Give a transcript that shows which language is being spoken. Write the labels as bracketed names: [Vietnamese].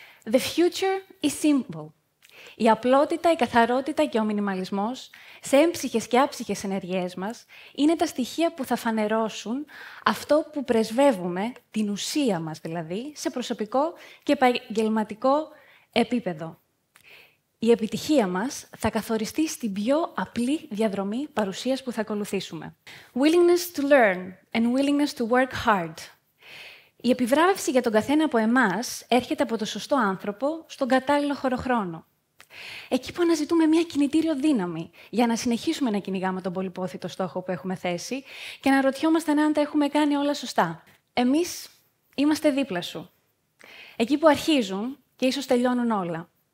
[English] The future is simple. [Greek] Η απλότητα, η καθαρότητα και ο μινιμαλισμός σε έμψυχες και άψυχες ενεργειές μας είναι τα στοιχεία που θα φανερώσουν αυτό που πρεσβεύουμε, την ουσία μας δηλαδή, σε προσωπικό και επαγγελματικό επίπεδο. Η επιτυχία μας θα καθοριστεί στην πιο απλή διαδρομή παρουσίας που θα ακολουθήσουμε. [English] Willingness to learn and willingness to work hard. [Greek] Η επιβράβευση για τον καθένα από εμάς έρχεται από το σωστό άνθρωπο στον κατάλληλο χωροχρόνο. Εκεί που αναζητούμε μια κινητήριο δύναμη για να συνεχίσουμε να κυνηγάμε τον πολυπόθητο στόχο που έχουμε θέσει και να ρωτιόμαστε αν τα έχουμε κάνει όλα σωστά. Εμείς είμαστε δίπλα σου. Εκεί που αρχίζουν και ίσως τελειώνουν όλα.